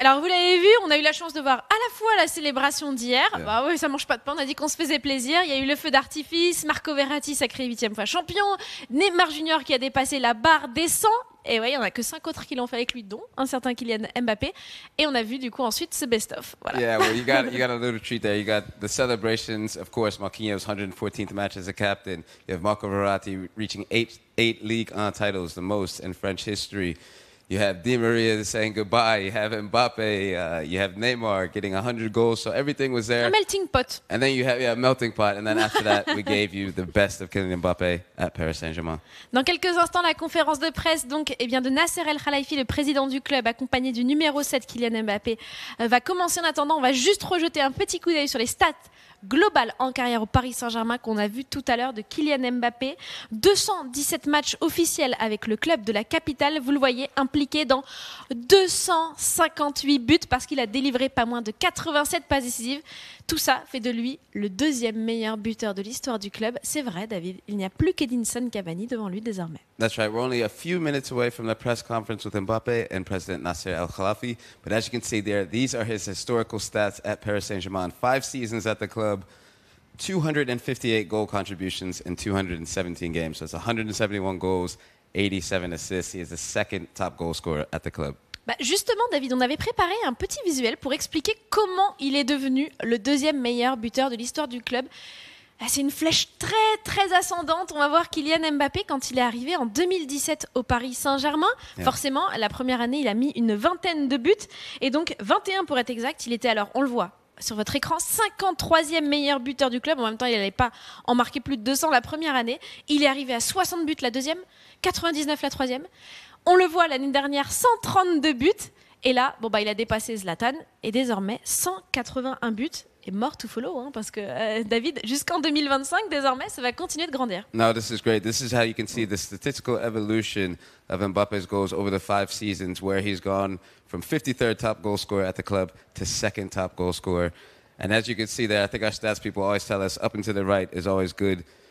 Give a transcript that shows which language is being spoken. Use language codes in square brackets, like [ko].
[fr] Alors, vous l'avez vu, on a eu la chance de voir à la fois la célébration d'hier. [en] Yeah. [fr] Bah oui, ça mange pas de pain. On a dit qu'on se faisait plaisir. Il y a eu le feu d'artifice. Marco Verratti, sacré 8e fois champion. Neymar Junior qui a dépassé la barre des 100. Et oui, il y en a que 5 autres qui l'ont fait avec lui, dont un certain Kylian Mbappé. Et on a vu du coup ensuite ce best-of. Voilà. [en] Yeah, well, you got a little treat there. You got the celebrations, of course. Marquinhos 114th match as a captain. You have Marco Verratti reaching 8 Ligue 1 titles, the most in French history. You have Di Maria saying goodbye. You have Mbappe. You have Neymar getting 100 goals. So everything was there. A melting pot. And then you have a melting pot. And then after that, we gave you the best of Kylian Mbappe at Paris Saint-Germain. [fr] Dans quelques instants, la conférence de presse donc, eh bien, de Nasser Al-Khelaifi, le président du club, accompagné du numéro 7, Kylian Mbappe, va commencer. En attendant, on va juste rejeter un petit coup d'œil sur les stats global en carrière au Paris Saint-Germain qu'on a vu tout à l'heure de Kylian Mbappé. 217 matchs officiels avec le club de la capitale, vous le voyez, impliqué dans 258 buts parce qu'il a délivré pas moins de 87 passes décisives. Tout ça fait de lui le deuxième meilleur buteur de l'histoire du club. C'est vrai, David, il n'y a plus qu'Edinson Cavani devant lui désormais. [en] That's right, we're only a few minutes away from the press conference with Mbappé and President Nasser Al-Khelaifi. But as you can see there, these are his historical stats at Paris Saint-Germain. 5 seasons at the club, 258 goal contributions in 217 games. So it's 171 goals, 87 assists. He is the second top goal scorer at the club. [fr] Bah justement, David, on avait préparé un petit visuel pour expliquer comment il est devenu le deuxième meilleur buteur de l'histoire du club. C'est une flèche très, très ascendante. On va voir Kylian Mbappé quand il est arrivé en 2017 au Paris Saint-Germain. [en] Yeah. [fr] Forcément, la première année, il a mis une vingtaine de buts. Et donc, 21 pour être exact, il était alors, on le voit sur votre écran, 53e meilleur buteur du club. En même temps, il n'allait pas en marquer plus de 200 la première année. Il est arrivé à 60 buts la deuxième, 99 la troisième. On le voit l'année dernière, 132 buts. Et là, bon bah, il a dépassé Zlatan. Et désormais, 181 buts. Et [en] more to follow, [fr] hein, parce que David, jusqu'en 2025, désormais, ça va continuer de grandir. [en] No, this is great. This is how you can see the statistical evolution of Mbappe's goals over the five seasons, where he's gone from 53rd top goal scorer at the club to second top goal scorer. And as you can see there, I think our stats people always tell us, up and to the right is always good.